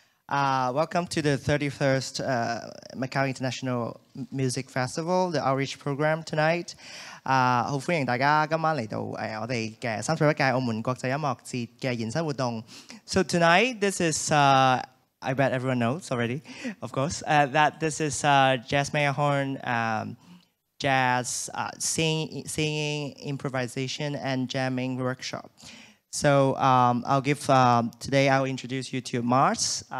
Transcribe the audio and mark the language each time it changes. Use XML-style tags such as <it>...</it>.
<en>Welcome to the 31st Macau International Music Festival, the outreach program tonight.</en> <zh>好歡迎大家今晚來到我們的31屆澳門國際音樂節的延伸活動.</zh> <en>So tonight, this is, I bet everyone knows already, of course, that this is Jazzmeia Horn, jazz singing, improvisation and jamming workshop. So I'll introduce you to Mars.</en>